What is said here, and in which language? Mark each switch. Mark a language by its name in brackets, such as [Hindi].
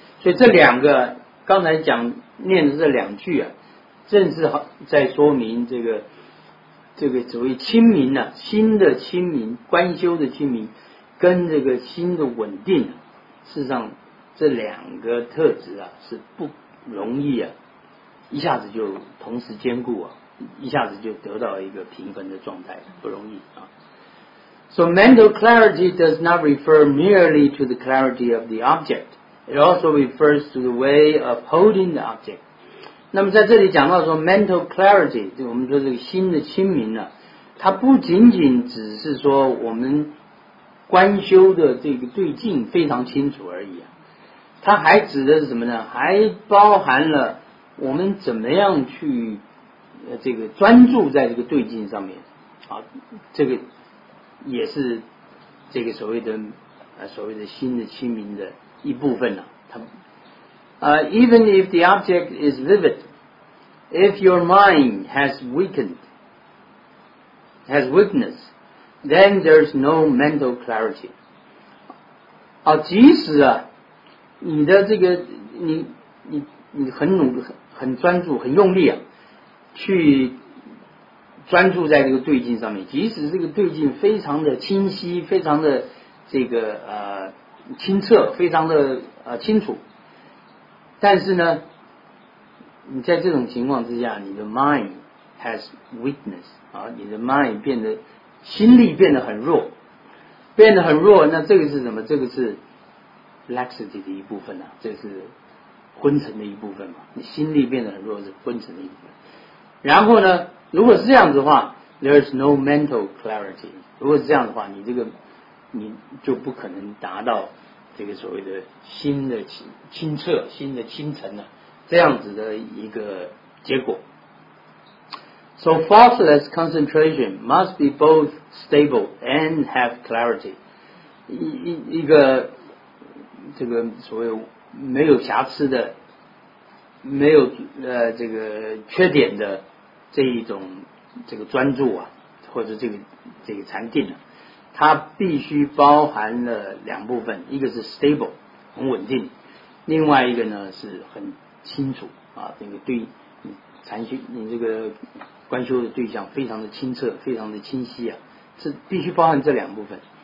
[Chinese] 所以这两个刚才讲念的这两句啊，正是在说明这个所谓清明啊，心的清明，观修的清明，跟这个心的稳定，事实上这两个特质啊是不容易啊一下子就同时兼顾啊，一下子就得到一个平衡的状态，不容易啊。 [English] So mental clarity does not refer merely to the clarity of the object. It also refers to the way of holding the object. [Chinese] 那么在这里讲到说 [English] mental clarity， [Chinese] 我们说这个心的清明呢，它不仅仅只是说我们观修的这个对境非常清楚而已啊，它还指的是什么呢？还包含了我们怎么样去这个专注在这个对境上面啊，这个也是这个所谓的心的清明的一部分呢、啊。 [English] Even if the object is vivid, if your mind has weakness, then there's no mental clarity. [Chinese] 啊，即使啊，你的这个你很努很专注很用力啊，去专注在这个对境上面，即使这个对境非常的清晰，非常的这个清澈，非常的清楚。但是呢，你在这种情况之下，你的 [English] mind has weakness [Chinese] 啊，你的 mind 变得心力变得很弱，那这个是什么？这个是 laxity 的一部分啊，这个是昏沉的一部分嘛。你心力变得很弱是昏沉的一部分。然后呢，如果是这样子的话 ， [English] there's no mental clarity。 [Chinese] 如果是这样的话，你这个你就不可能达到。这个所谓的心的清澈，心的清晨呢、啊，这样子的一个结果。 [English] So faultless concentration must be both stable and have clarity. [Chinese] 一个这个所谓没有瑕疵的、没有这个缺点的这一种这个专注啊，或者这个禅定呢、啊。它必须包含了两部分，一个是 stable 很稳定，另外一个呢是很清楚啊，这个对你禅修你这个观修的对象非常的清澈，非常的清晰啊，是必须包含这两部分。